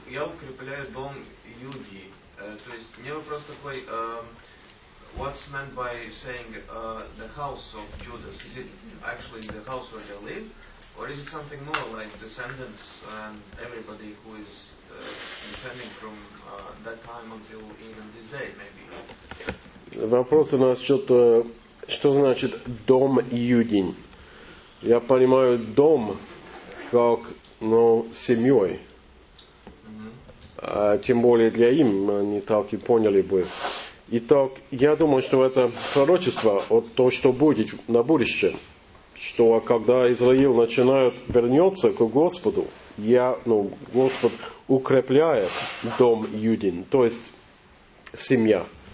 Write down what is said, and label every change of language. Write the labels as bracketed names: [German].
[Russian] Я укрепляю дом Иудии. То есть, мне вопрос такой... [English] What's meant by saying the house of Judas? Is it actually the house where they live? Or is it something more like descendants and everybody who is descending from that time until even this day, maybe? [Russian] Вопрос у нас насчет, что значит дом Юдин. Я понимаю дом как, ну, семьей. Тем более для им, они так и поняли бы. Итак, я думаю, что это пророчество, вот то, что будет на будущее, что когда Израил начинает вернется к Господу, Господь укрепляет дом Юдин, то есть семья.